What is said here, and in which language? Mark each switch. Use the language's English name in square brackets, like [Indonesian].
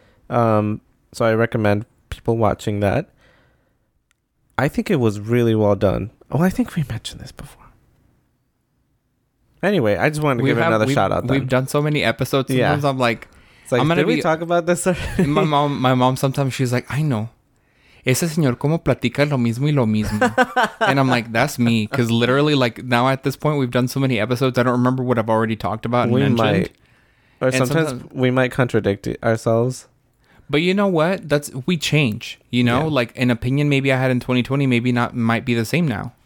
[English] So I recommend people watching that. I think it was really well done. Oh, I think we mentioned this before. Anyway, I just wanted to shout out. We've done so many episodes. Sometimes I'm like, it's like, talk about this already? My mom, sometimes she's like, I know. [Spanish] Ese señor como platica lo mismo y lo mismo. [English] And I'm like, that's me. Because literally, like, now at this point, we've done so many episodes. I don't remember what I've already talked about and mentioned. Sometimes we might contradict ourselves. But you know what? We change, you know? Yeah. Like, an opinion maybe I had in 2020 might be the same now.